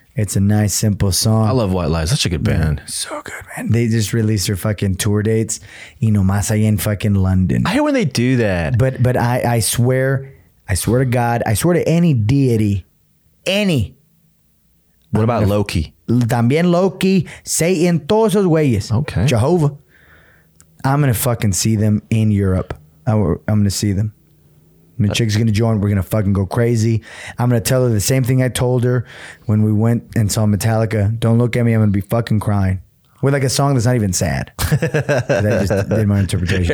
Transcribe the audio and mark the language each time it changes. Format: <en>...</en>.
<en>It's a nice, simple song. I love White Lies. Such a good band. So good, man. They just released their fucking tour dates. You know,</en> <es>más allá</es> <en>in fucking London. I hate when they do that. But I swear to God, I swear to any deity, any. What about Loki?</en> <es>También Loki, Satan, todos esos güeyes.</es> <en>Okay. Jehovah. I'm going to fucking see them in Europe. I'm going to see them. My chick's going to join. We're going to fucking go crazy. I'm going to tell her the same thing I told her when we went and saw Metallica. Don't look at me. I'm going to be fucking crying. With like a song that's not even sad. That just did my interpretation.</en>